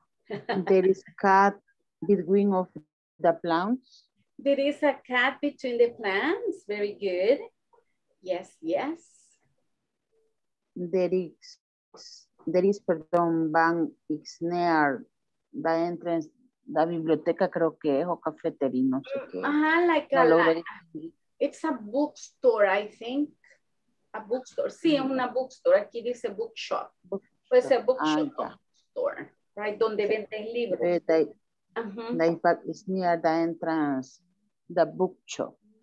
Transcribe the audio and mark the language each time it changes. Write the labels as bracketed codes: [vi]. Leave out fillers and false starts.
[en] There is a cat between of the plants. There is a cat between the plants. Very good. Yes, yes. There is, perdón, bank is near the entrance [es] la biblioteca creo que es, o cafetería, no sé qué. [en] Ajá, like no a, it's a bookstore, I think. A bookstore, [es] sí, es una bookstore, aquí dice bookshop. Bookstore. Puede ser bookshop, ah, bookstore, [en] right, [es] donde sí. Venden libros. [en] It's near the entrance, the bookshop.